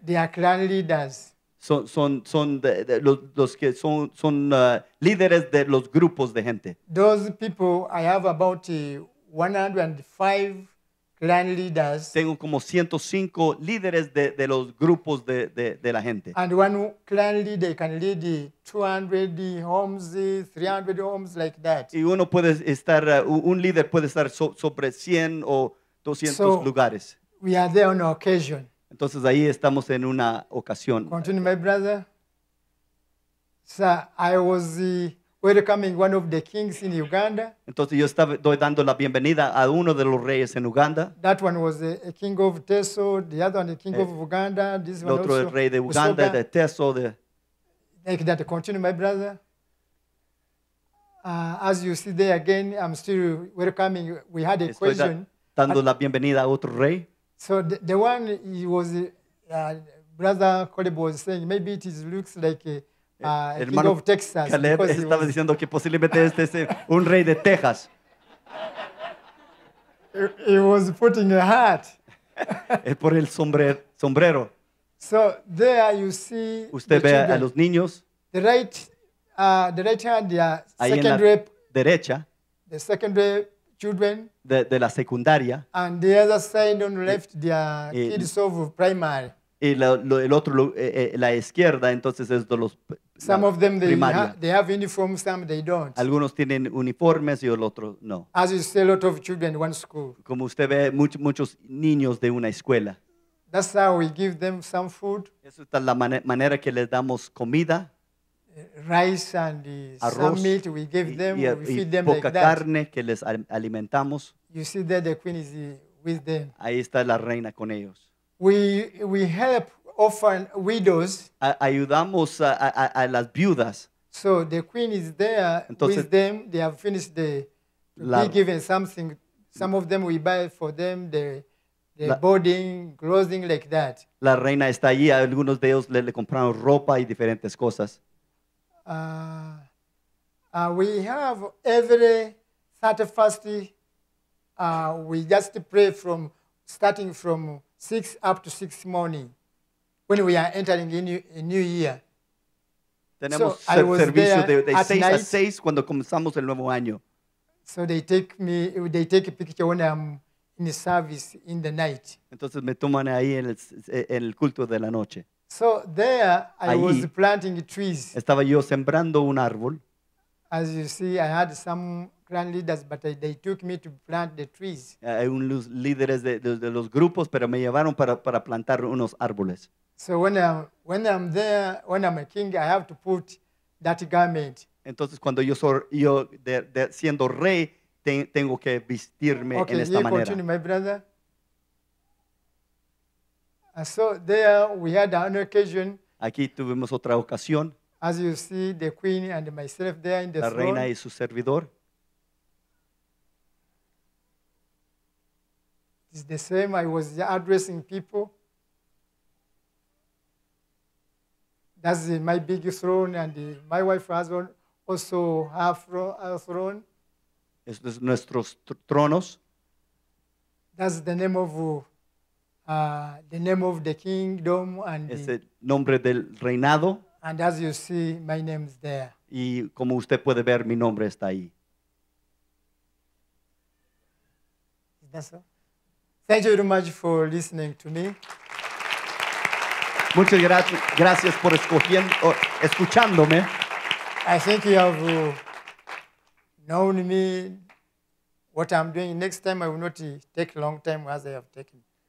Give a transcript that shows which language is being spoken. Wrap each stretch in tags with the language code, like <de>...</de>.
<en>They are clan leaders.</en> <es>Son los que son líderes de los grupos de gente.</es> <en>Those people, I have about 105 clan leaders.</en> <es>Tengo como 105 líderes de los grupos de la gente.</es> <en>And one clan leader can lead 200 homes, 300 homes, like that.</en> <es>Y uno puede estar, un líder puede estar sobre 100 o 200</es> <en>so</en> <es>lugares.</es> <en>We are there on occasion.</en> <es>Entonces ahí estamos en una ocasión.</es> <en>Continue, my brother. So I was welcoming one of the kings in Uganda.</en> <es>Entonces yo estaba dando la bienvenida a uno de los reyes en Uganda.</es> <en>That one was a king of Teso, the other one a king of Uganda. This</en> <es>el otro</es> <en>one also</en> <es>rey de Uganda, Usoga. De Teso.</es> <en>Like that. Continue, my brother. As you see there again, I'm still welcoming. We had a question.</en> <es>Dando la bienvenida a otro rey.</es> <en>So the one he was, Brother Caleb was saying, maybe it is, looks like a king of Texas.</en> <es>Caleb estaba diciendo que posiblemente este es un rey de Texas.</es> <en>He was putting a hat.</en> <es>Es por el sombrero.</es> <en>So there you see.</en> <es>Usted ve a los niños.</es> <en>The right hand, the second rep.</en> <es>Derecha.</es> <en>The second rep. Children</en> <es>de la secundaria,</es> <en>and the other side on the left, the kids of primary.</en> <es>Y la izquierda, entonces es de los primarios.</es> <en>Some of them they have uniforms, some they don't.</en> <es>Algunos tienen uniformes y el otro no.</es> <en>As you see, a lot of children in one school.</en> <es>Como usted ve, muchos niños de una escuela.</es> <en>That's how we give them some food.</en> <es>Esa es la manera que les damos comida.</es> <en>Rice and</en> <es>arroz,</es> <en>some meat we give them, we feed them</en> <es>poca</es> <en>like</en> <es>carne</es> <en>that.</en> <es>Que les alimentamos.</es> <en>You see there the queen is with them.</en> <es>Ahí está la reina con ellos.</es> <en>We help often widows.</en> <es>Ayudamos a las viudas.</es> <en>So the queen is there.</en> <es>Entonces,</es> <en>with them. They have finished the we given something. Some of them we buy for them the boarding, clothing like that.</en> <es>La reina está allí. Algunos de ellos le compraron ropa y diferentes cosas.</es> <en>We have every 31st, we just pray from starting from 6 up to 6 morning when we are entering a new year.</en> <es>Tenemos so servicio de 6</es> <en>night,</en> <es>a 6 cuando comenzamos el nuevo año.</es> <en>So they take a picture when I'm in the service in the night.</en> <es>Entonces me toman ahí en el culto de la noche.</es> <en>So there, I was planting trees.</en> <es>Estaba yo sembrando un árbol.</es> <en>As you see, I had some clan leaders, but they took me to plant the trees.</en> <es>Hay unos líderes de los grupos, pero me llevaron para plantar unos árboles.</es> <en>So when I'm there, when I'm a king, I have to put that garment.</en> <es>Entonces, cuando yo siendo rey, tengo que vestirme</es> <en>okay,</en> <es>en esta manera.</es> <en>Okay, you continue, my brother. So there we had an occasion.</en> <es>Aquí tuvimos otra ocasión.</es> <en>As you see, the queen and myself there in the throne.</en> <es>La reina y su servidor.</es> <en>It's the same. I was addressing people. That's my big throne, and my wife has also her throne.</en> <es>Es nuestros tronos.</es> <en>That's the name of. The name of the kingdom and</en> <es>es el nombre del reinado.</es> <en>And as you see, my name's there.</en> <es>Y como usted puede ver, mi nombre está ahí.</es> <en>Is that so? Thank you very much for listening to me.</en> <es>Muchas gracias por escuchándome.</es> <en>I think you have known me. What I'm doing next time, I will not take a long time as I have taken.</en>